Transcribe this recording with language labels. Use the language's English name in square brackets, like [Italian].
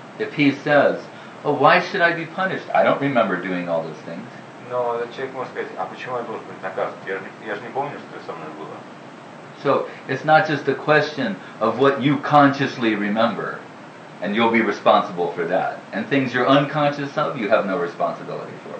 [English] If he says, "Oh, why should I be punished? I don't remember doing all those things." [Russian] Но этот человек может сказать, а почему я должен быть наказан? Я же не помню, что со мной было. [English] So, it's not just a question of what you consciously remember And you'll be responsible for that. And things you're unconscious of, you have no responsibility for.